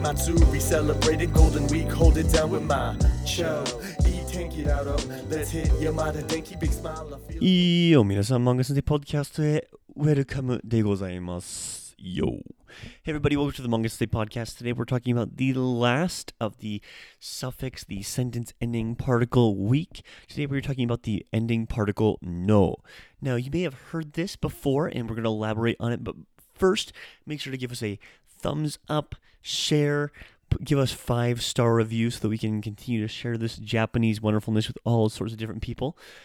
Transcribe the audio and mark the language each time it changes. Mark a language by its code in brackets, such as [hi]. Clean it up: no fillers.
[en] Matsuri celebrated Golden Week, hold it down with my cho. [ja] Yo, 皆さん、漫画先生ポッドキャストへウェルカムでございます。 [en] Yo. Hey everybody, welcome to the Manga Sensei Podcast. Today we're talking about the last of the suffix, the sentence ending particle week. Today we're talking about the ending particle no. Now you may have heard this before and we're going to elaborate on it, but first make sure to give us a thumbs up, share, give us 5-star reviews so that we can continue to share this Japanese wonderfulness with all sorts of different people.